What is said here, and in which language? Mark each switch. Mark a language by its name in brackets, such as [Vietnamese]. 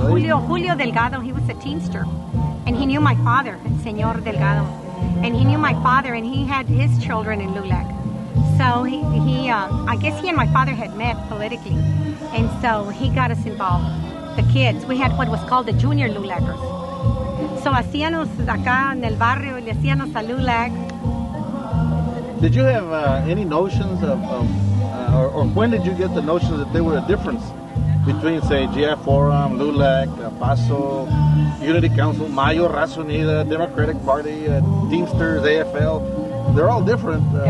[English] Julio Delgado. He was a teamster. And he knew my father, Señor Delgado. And he knew my father, and he had his children in LULAC. So I guess he and my father had met politically. And so he got us involved, the kids. We had what was called the junior LULACers. [Spanish] So hacíanos acá en el barrio y le hacíanos a LULAC. [English] Did you have any notions of when did you get the notion that there were a difference between, say, GF Forum, LULAC, PASO, Unity Council, Mayo, Raza Unida, Democratic Party, Teamsters, AFL? They're all different.